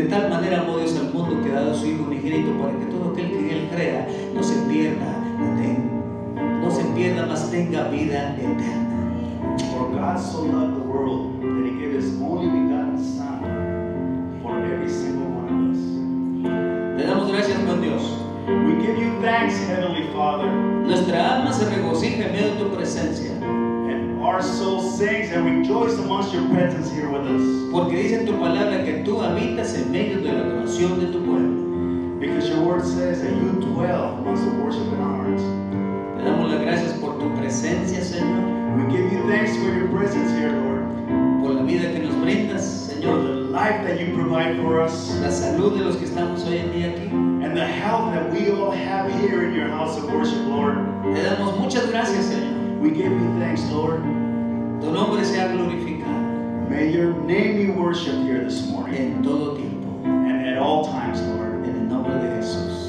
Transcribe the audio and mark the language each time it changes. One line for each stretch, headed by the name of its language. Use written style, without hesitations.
Spanish: manera amó Dios al mundo que ha dado a su Hijo unigénito para que todo aquel que en Él crea no se pierda, amén. No se pierda, mas tenga vida eterna.
English: For God so loved the world that He gave His only begotten Son for every single one of us.
Spanish: Le damos gracias, buen Dios.
English: We give you thanks, Heavenly Father.
Spanish: Nuestra alma se regocija en medio de tu presencia.
English: Our soul sings and rejoices amongst your presence here with us.
Spanish: Porque dice tu palabra que tú habitas en medio de la adoración de tu pueblo.
English: Because your word says that you dwell amongst the worship in our hearts.
Spanish: Te damos las gracias por tu presencia, Señor.
English: We give you thanks for your presence here, Lord.
Spanish: Por la vida que nos brindas, Señor.
English: For the life that you provide for us.
Spanish: La salud de los que estamos hoy en día aquí.
English: And the health that we all have here in your house of worship, Lord.
Spanish: Te damos muchas gracias, Señor.
English: We give you thanks, Lord.
Spanish: Tu nombre sea glorificado.
English: May your name be worshipped here this morning.
Spanish: En todo tiempo.
English: And at all times, Lord.
Spanish: En el nombre de Jesús.